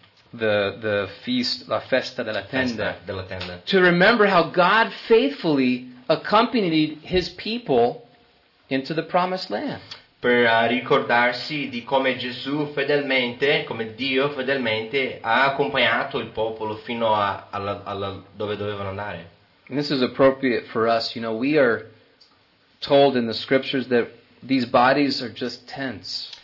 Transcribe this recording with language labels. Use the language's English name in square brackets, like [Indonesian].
[English] The feast, [Italian] la festa della tenda. Festa della tenda. [English] To remember how God faithfully accompanied His people into the Promised Land. [Italian] Per ricordarsi di come Gesù fedelmente, come Dio fedelmente, ha accompagnato il popolo fino a dove dovevano andare. [English] And this is appropriate for us, you know, we are told in the scriptures that these bodies are just tents.